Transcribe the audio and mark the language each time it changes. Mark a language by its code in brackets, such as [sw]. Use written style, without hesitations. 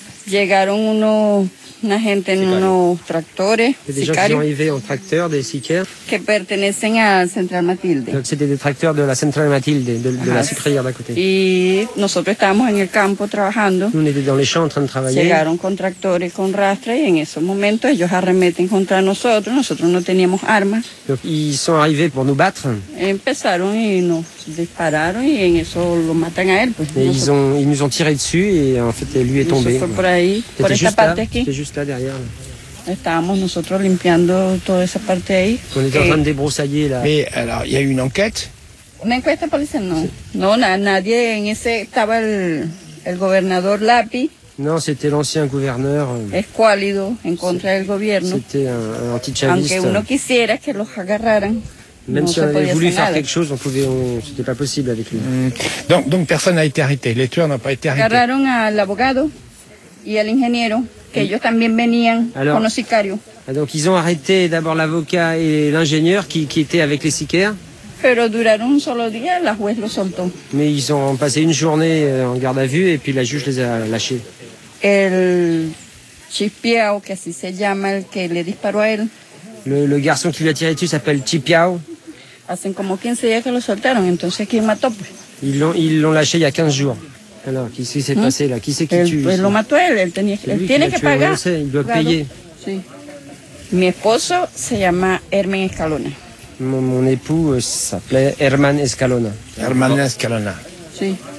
[es] Llegaron unos una gente en unos tractores, [fr] des gens qui sont arrivés en tracteur, des sicaires. [es] Que pertenecen a Central Matilde. [fr] Donc c'était des tracteurs de la Central Matilde, de la sucrière d'à côté. [es] Y nosotros estábamos en el campo trabajando. [fr] Nous étions dans les champs en train de travailler. [es] Llegaron con tractores, con rastre, y en ese momento ellos arremeten contra nosotros. Nosotros no teníamos armas. [fr] Donc ils sont arrivés pour nous battre. [es] Empezaron y nos dispararon y en eso lo matan a él. Pues, [fr] et [es] nosotros... [fr] ils nous ont tiré dessus et en fait lui est tombé. Ouais. [es] Por ahí, por esta parte aquí. [fr] Juste là derrière. [es] Estábamos nosotros limpiando toda esa parte ahí. [fr] On était en train de débroussailler là. Mais alors, il y a eu une enquête? [es] Una encuesta policial, no. No, nadie en ese estaba el gobernador Lapi. [fr] Non, c'était l'ancien gouverneur. [es] Escuálido, en contra del gobierno. [fr] C'était un anti-chaviste. [es] Aunque uno quisiera que los agarraran. [fr] Même non, si on avait voulu faire quelque chose, c'était pas possible avec lui. Donc personne n'a été arrêté. Les tueurs n'ont pas été arrêtés. [es] Agarraron al abogado y al ingeniero. Que ellos también venían [fr] alors, [es] con los sicarios. [fr] Donc ils ont arrêté d'abord l'avocat et l'ingénieur qui était avec les sicaires. [es] Pero duraron un solo día, la juez lo soltó. [fr] Mais ils ont passé une journée en garde à vue et puis la juge les a lâchés. [es] El Chipiao, que así se llama el que le disparó a él. [fr] Le garçon qui lui a tiré dessus s'appelle Chipiao. [es] Hacen como 15 días que lo soltaron, entonces ¿quién mató? Pues? [fr] Ils l'ont lâché il y a 15 jours. Alors, qu'est-ce qui s'est passé là? Qui c'est qui tue? [es] Pues lo mató él, él tenía tiene que pagar. [fr] Oui, sait, il doit [es] claro. [fr] Payer. [es] Sí. Mi esposo se llama Herman Escalona. [fr] Mon époux s'appelait Herman Escalona. Herman Escalona. [es] Sí.